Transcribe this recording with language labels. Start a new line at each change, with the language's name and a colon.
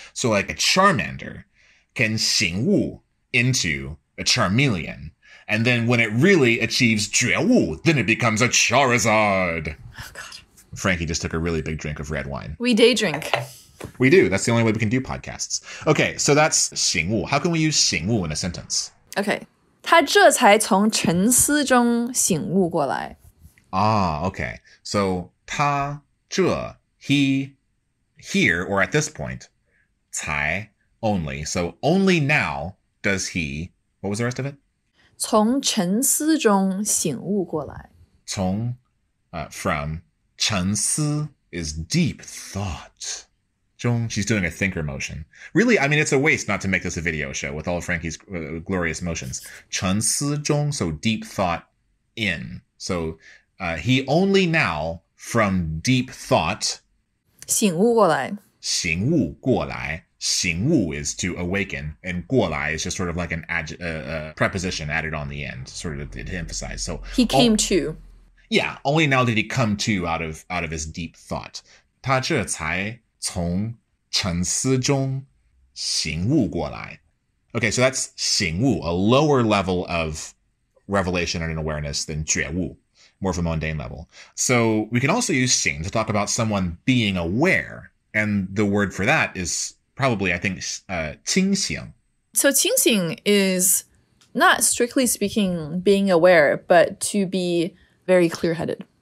English: So like a Charmander can xǐng wu into a Charmeleon. And then when it really achieves jue wu, then it becomes a Charizard. Oh God. Frankie just took a really big drink of red wine. We day drink. We do. That's the only way we can do podcasts. Okay, so that's xǐng wu. How can we use xǐng wu in a sentence? Okay.
Chinese: 他这才从沉思中醒悟过来.
English: Ah, okay. So, 他这, he, here, or at this point, 才, only. So, only now does he, what was the rest of it?
Chinese: 从沉思中醒悟过来.
English: 从, from, 沉思 is deep thought. She's doing a thinker motion. Really, I mean, it's a waste not to make this a video show with all of Frankie's glorious motions. 沉思中, so deep thought in. So he only now, from deep thought,
Chinese: 醒悟过来.
English: 醒悟 is to awaken, and 过来 is just sort of like an preposition added on the end, sort of to emphasize. So he came to. Yeah, only now did he come to out of his deep thought.
Chinese: 他这才 从沉思中醒悟过来.
English: Okay, so that's 醒悟, a lower level of revelation and awareness than 觉悟, more of a mundane level. So we can also use 醒 to talk about someone being aware. And the word for that is probably, I think, 清醒. So 清醒 is not strictly speaking being aware, but to be very clear-headed.